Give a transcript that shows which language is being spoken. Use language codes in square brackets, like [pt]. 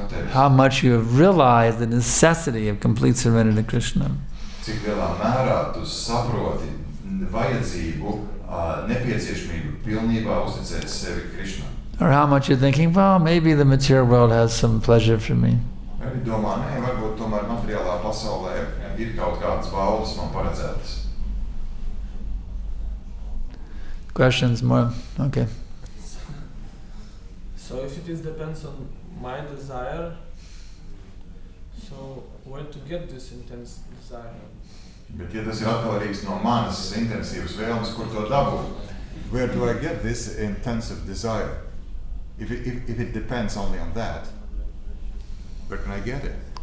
[en] How much you have realized the necessity of complete surrender to Krishna. [lv] Cik lielā mērā tu saproti vajadzību, nepieciešamību pilnībā uzticēt sevi Krishna. [en] Or how much you're thinking, well, maybe the material world has some pleasure for me. [lv] Domā, varbūt tomēr materiālā pasaulē ir kaut kādas baudas man paredzētas. [en] Questions more? Okay. So if it depends on my desire, so where to get this intense desire? [lv] Bet ja tas ir atkarīgs no manas intensīvas vēlmes, kur to dabūt? [en] Where do I get this intensive desire? If it depends only on that, where can I get it?